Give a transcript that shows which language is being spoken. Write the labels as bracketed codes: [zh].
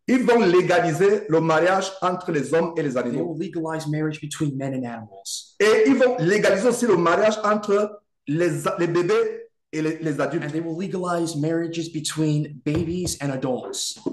[fr] ils vont légaliser le mariage entre les hommes et les animaux. [en] They will legalize marriage between men and animals. [fr] Et ils vont légaliser aussi le mariage entre les bébés et les adultes. [en] And they will legalize marriages between babies and adults.